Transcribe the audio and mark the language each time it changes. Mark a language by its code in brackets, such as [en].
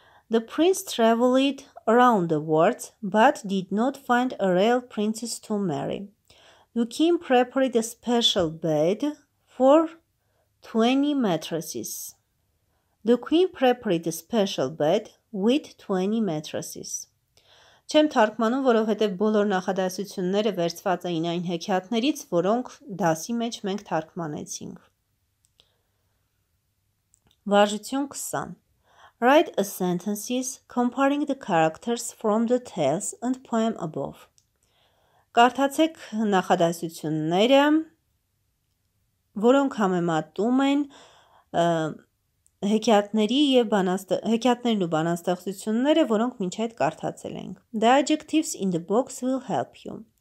[en] The prince traveled around the world but did not find a real princess to marry. The king prepared a special bed for 20 mattresses. The queen prepared a special bed with 20 mattresses. [hy] Չեմ թարգմանում, որովհետև բոլոր նախադասությունները վերցված էին այն հեքիաթներից, որոնք դասի մեջ մենք թարգմանեցինք. Վարժություն 20. [en] Write a sentences comparing the characters from the tales and poem above. [hy] Կարդացեք նախադասությունները, որոնք համեմատում են հեքիաթներն ու բանաստեղծությունները, որոնք մինչ այդ կարդացել ենք. [en] The adjectives in the box will help you.